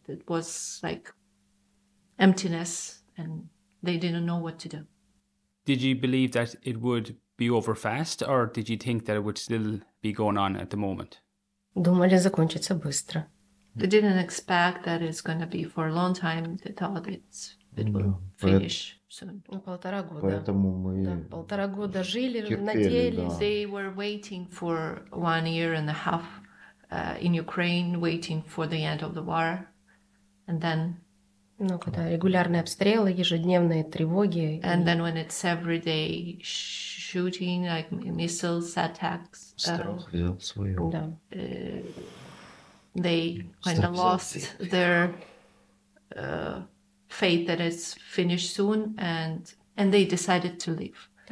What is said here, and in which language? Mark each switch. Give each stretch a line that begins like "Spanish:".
English: It was like emptiness and they didn't know what to do. Did you believe that it would be over fast, or did you think that it would still be going on at the moment?
Russian: Думали закончится быстро.
English: They didn't expect that it's going to be for a long time. They thought it's finish soon.
Russian: Ну, полтора года. Поэтому мы полтора года жили, надеялись.
English: They were waiting for 1 year and a half in Ukraine, waiting for the end of the war, and then.
Russian: Ну, когда регулярные обстрелы, ежедневные тревоги.
English: And then when it's everyday shooting, like missiles, attacks.
Russian: Страх взял свое. Да.
English: they kind of lost their faith that it's finished soon, and they decided to leave.